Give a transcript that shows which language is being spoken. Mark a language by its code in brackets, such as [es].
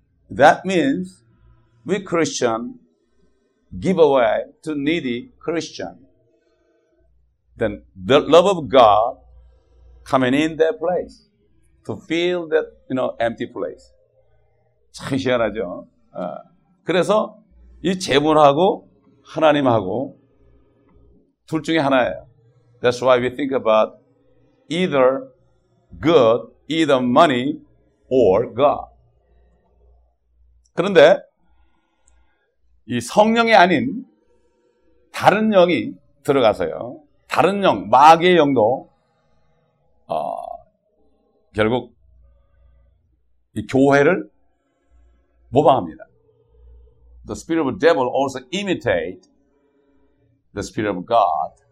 [en] That means we Christian give away to needy Christian. Then the love of God coming in that place to fill that, you know, empty place. [ko] 참 희한하죠. 그래서 이 재물하고 하나님하고 둘 중에 하나예요. [en] That's why we think about either good, either money or God. [ko] 그런데 이 성령이 아닌 다른 영이 들어가서요. 다른 영, 마귀의 영도 결국 이 교회를 모방합니다. [en] The spirit of the devil also imitate the spirit of God.